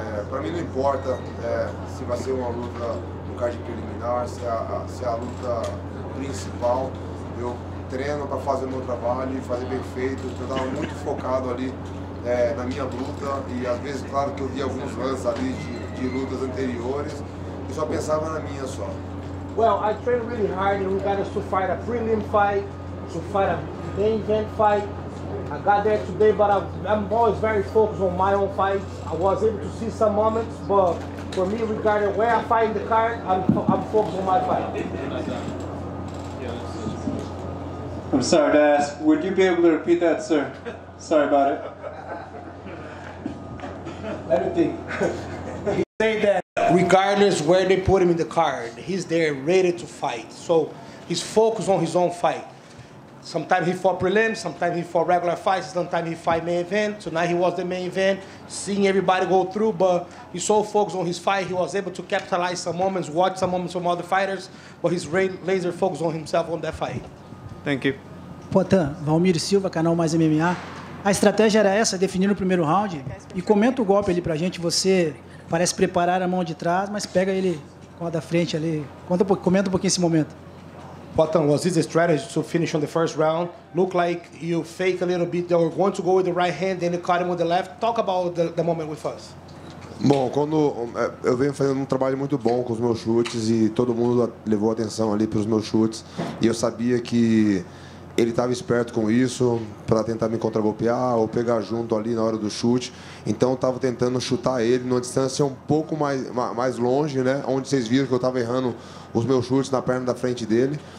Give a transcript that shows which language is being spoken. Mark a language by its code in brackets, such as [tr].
[pt] Para mim não importa se vai ser uma luta no card preliminar, se é a luta principal. Eu treino para fazer o meu trabalho e fazer bem feito. Eu tava muito focado ali na minha luta, e às vezes, claro que eu vi alguns runs ali de lutas anteriores, e só pensava na minha só. [en] Well, I trained really hard and we got us to fight a prelim fight, to fight a main event fight. I got there today, but I'm always very focused on my own fight. I was able to see some moments, but for me, regarding where I fight in the card, I'm focused on my fight. I'm sorry to ask, would you be able to repeat that, sir? Sorry about it. Let me think. He said that regardless where they put him in the card, he's there ready to fight. So he's focused on his own fight. Sometimes he fought prelims, sometimes he fought regular fights, sometimes he fight main event. Tonight he was the main event, seeing everybody go through, but he's so focused on his fight, he was able to capitalize some moments, watch some moments from other fighters, but he's laser focused on himself on that fight. Thank you. [pt] Poitin, Valmir Silva, canal Mais MMA. A estratégia era essa, definir o primeiro round, e comenta o golpe ali pra gente, você parece preparar a mão de trás, mas pega ele com a da frente ali, comenta um pouquinho esse momento. [en] Poitin, was this a strategy to finish on the first round? Look like you fake a little bit, they were going to go with the right hand, then you caught him with the left. Talk about the moment with us. [pt] Bom, quando eu venho fazendo um trabalho muito bom com os meus chutes e todo mundo levou atenção ali para os meus chutes, e eu sabia que ele estava esperto com isso para tentar me contragolpear ou pegar junto ali na hora do chute. Então eu estava tentando chutar ele numa distância um pouco mais longe, né, onde vocês viram que eu estava errando os meus chutes na perna da frente dele.